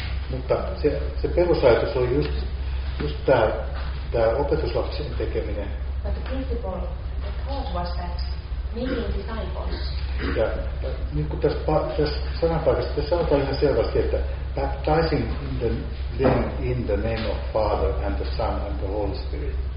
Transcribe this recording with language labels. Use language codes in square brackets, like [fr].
[fi] Mutta se perusajatus oli just tämä opetuslapsien tekeminen. [en] But the principle, the thought was that meaning disciples. [fi] Ja niin kuin tässä sanapaikassa, tässä sanotaan ihan selvästi, että [en] baptizing them in the name of Father and the Son and the Holy Spirit.